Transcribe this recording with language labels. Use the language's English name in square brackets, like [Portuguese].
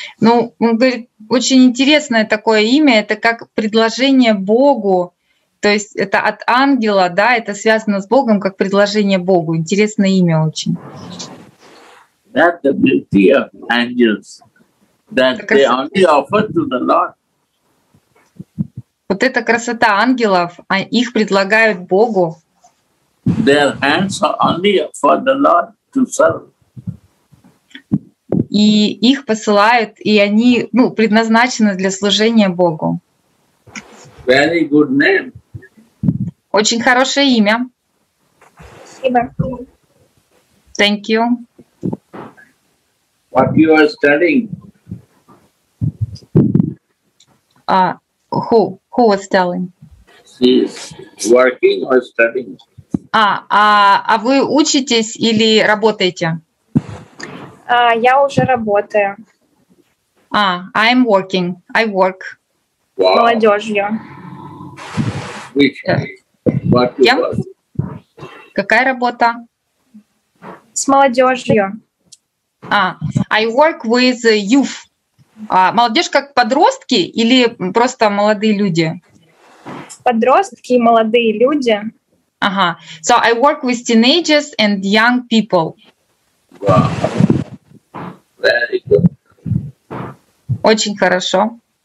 [Russian] Ну, он говорит, очень интересное такое имя, это как предложение Богу. То есть это от ангела, да, это связано с Богом, как предложение Богу. Интересное имя очень. [English] That's the beauty of angels, that they only offer to the Lord. [Russian] Вот это красота ангелов, а их предлагают Богу. [English] Their hands are only for the Lord to serve. [Russian] И их посылают, и они, ну, предназначены для служения Богу. [English] Very good name. [Russian] Очень хорошее имя. Спасибо. [English] Thank you. What you are studying? Who was telling? She's working or studying? [Russian] А вы учитесь или работаете? Я уже работаю. [English] I'm working. I work. [Russian] Wow. Молодежью. [English] Which? [Russian] Кем? Какая работа? С молодежью. [English] I work with youth. [Russian] Молодежь как подростки или просто молодые люди? Подростки и молодые люди. Ага. [English] So I work with teenagers and young people. Wow. Very good. [Russian] Очень хорошо.